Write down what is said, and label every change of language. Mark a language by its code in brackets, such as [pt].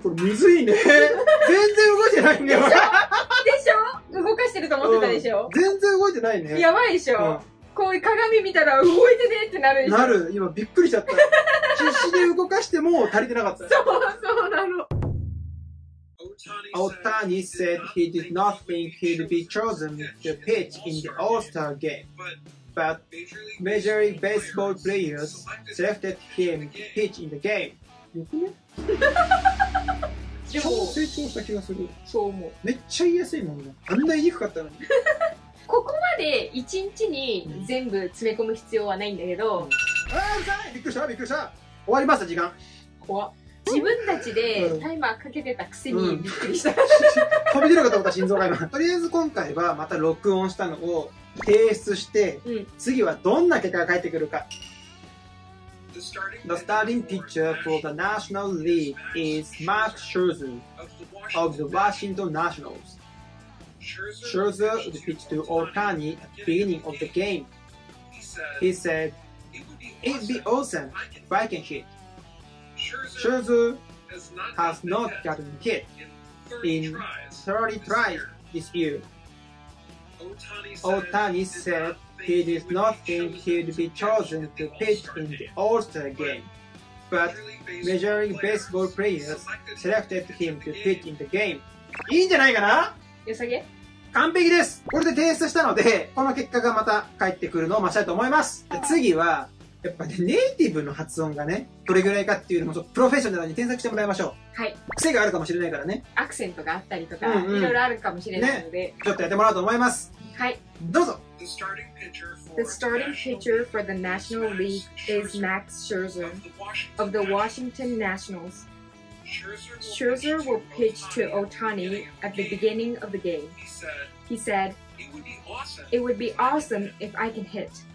[ja] これむずいね。全然動いてないんだよ。でしょ？動かしてると思ってたでしょ？全然動いてないね。やばいでしょ？こういう鏡見たら動いてねってなるでしょ？なる。今びっくりしちゃった。必死で動かしても足りてなかった。そうなの。 [en] Otani said he did not think he'd be chosen to pitch in the All-Star game, but Major League Baseball players selected him to pitch in the game. [ja] でも成長した気がする。そう思う。めっちゃ言いやすいもんね。あんな言いにくかったのに。ここまで一日に全部詰め込む必要はないんだけど。うん、あー、うるさい！びっくりした、びっくりした。終わりました、時間。怖っ。自分たちでタイマーかけてたくせにびっくりした、うん、飛び出るかと思った心臓が今とりあえず今回はまた録音したのを提出して、うん、次はどんな結果が返ってくるか。 [en] The starting pitcher for the National League is Max Scherzer of the Washington Nationals. Scherzer would pitch to Ohtani at the beginning of the game. He said, "It'd be awesome if I can hit." Scherzer has not gotten hit in 30 tries this year. Ohtani said,He did not think he'd be chosen to pitch in the All-Star game, but Major League Baseball players selected him to pitch in the game. [ja] いいんじゃないかな？よさげ？完璧です！これで提出したので、この結果がまた返ってくるのを待ちたいと思います。で次は、やっぱね、ネイティブの発音がね、どれぐらいかっていうのもちょっとプロフェッショナルに添削してもらいましょう。はい。癖があるかもしれないからね。アクセントがあったりとか、うんうん、いろいろあるかもしれないので、ね。ちょっとやってもらおうと思います。はい。どうぞ。 [en] The starting pitcher for the National League is Max Scherzer of the Washington Nationals. Scherzer will pitch to Ohtani at the beginning of the game. He said, "It would be awesome if I can hit."